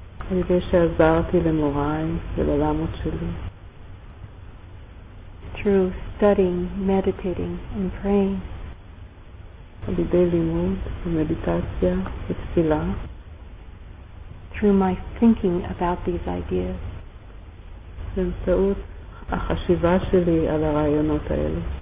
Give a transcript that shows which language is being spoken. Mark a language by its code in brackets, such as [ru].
[he] על ידי שעזרתי למוריי וללמות שלי. [en] Through studying, meditating, and praying. [he] על ידי לימוד ומדיטציה ותפילה. [en] Through my thinking about these ideas. [he] באמצעות החשיבה שלי על הרעיונות האלה.